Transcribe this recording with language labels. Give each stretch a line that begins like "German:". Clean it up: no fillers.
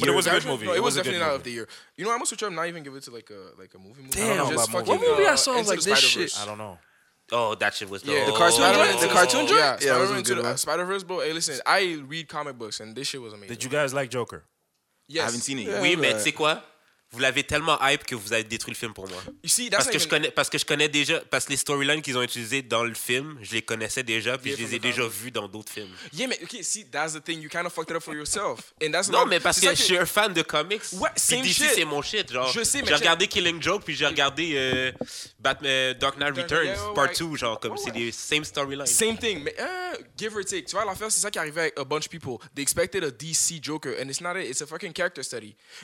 English: But it was a good movie. No, it was definitely not of the year. You know, I'm gonna switch up. Not even give it to like a movie. What movie I saw was like this shit? I don't know. Oh, that shit was the cartoon. Spider-Verse. But hey, listen, I read comic books, and this shit was amazing. Did you guys like Joker? Yes, I haven't seen it.
French: Oui, mais c'est quoi? Vous l'avez tellement hype que vous avez détruit le film pour moi. Parce que les storylines qu'ils ont utilisées dans le film, je les connaissais déjà, puis je les ai déjà vus dans d'autres films.
English: Yeah, mais okay, see, that's the thing, you kind of fucked it up for yourself. And that's
French: non, mais parce que je suis un fan de comics. C'est mon shit, genre. Je sais, mais j'ai regardé Killing Joke, puis j'ai regardé Dark Knight Returns, part 2, genre, comme c'est les
English: same storylines. Same thing,
French: mais
English: give or take.
French: Tu vois, l'affaire, c'est ça qui est arrivé avec
English: a bunch of people. They expected a DC Joker, and it's not it, it's a fucking character study.